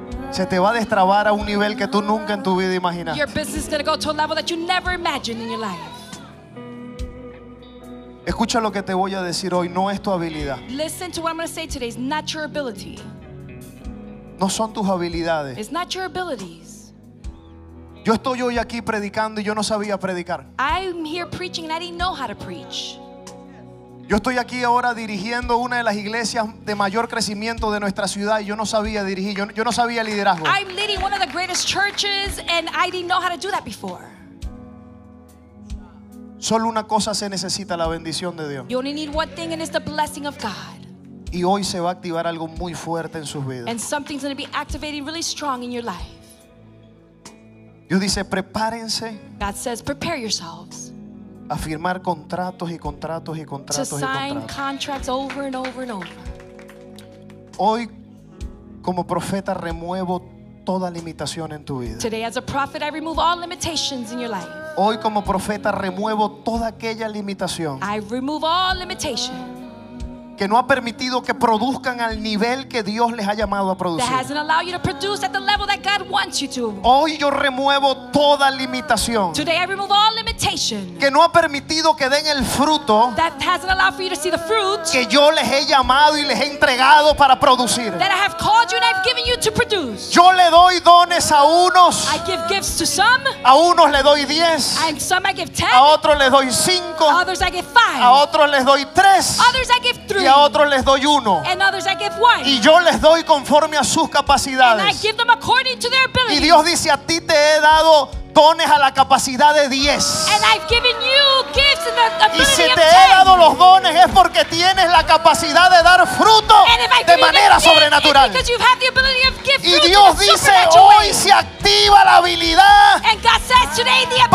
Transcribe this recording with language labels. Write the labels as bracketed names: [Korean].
[Spanish] Se te va a destrabar a un nivel que tú nunca en tu vida imaginaste. [English] Your business is going to go to a level that you never imagined in your life. [Spanish] Escucha lo que te voy a decir hoy. No es tu habilidad. [English] Listen to what I'm going to say today. It's not your ability. [Spanish] No son tus habilidades. [English] It's not your abilities. [Spanish] Yo estoy hoy aquí predicando y yo no sabía predicar. [English] I'm here preaching and I didn't know how to preach. [Spanish] Yo estoy aquí ahora dirigiendo una de las iglesias de mayor crecimiento de nuestra ciudad y yo no sabía dirigir, yo no sabía liderazgo. [English] I'm leading one of the greatest churches and I didn't know how to do that before. [Spanish] Solo una cosa se necesita, la bendición de Dios. [English] You only need one thing and it's the blessing of God. [Spanish] Y hoy se va a activar algo muy fuerte en sus vidas. [English] And something's going to be activating really strong in your life. [Spanish] Dios dice, prepárense. [English] God says, prepare yourselves. [Spanish] A firmar contratos y contratos y contratos y contratos. [English] To sign contracts over and over and over. [Spanish] Hoy, como profeta, remuevo toda limitación en tu vida. [English] Today as a prophet I remove all limitations in your life. [Spanish] Hoy como profeta remuevo toda aquella limitación. [English] I remove all limitations. [Spanish] Que no ha permitido que produzcan al nivel que Dios les ha llamado a producir. [English] That hasn't allowed you to produce at the level that God wants you to. [Spanish] Hoy yo remuevo toda limitación. [English] Today I remove all limitation. [Spanish] Que no ha permitido que den el fruto. [English] That hasn't allowed for you to see the fruit. [Spanish] Que yo les he llamado y les he entregado para producir. [English] That I have called you and I've given you to produce. [Spanish] Yo le doy dones a unos. [English] I give gifts to some. [Spanish] A unos le doy 10. [English] And some I give 10. [Spanish] A otros les doy 5. [English] Others I give 5. [Spanish] A otros les doy 3. [English] Others I give 3. [Spanish] Y a otros les doy uno. [English] And others I give one. [Spanish] Y yo les doy conforme a sus capacidades. [English] And I give them according to their abilities. [Spanish] Y Dios dice, a ti te he dado dones a la capacidad de 10. [English] And I've given you gifts in the ability of 10. [Spanish] Y si te he dado los dones es porque tienes la capacidad de dar fruto de manera sobrenatural. [English] And if I've given you gifts, it's because you've had the ability of gifts in a supernatural way. [Spanish] Y Dios dice, hoy se activa la habilidad. [English] And God says today the ability is activated.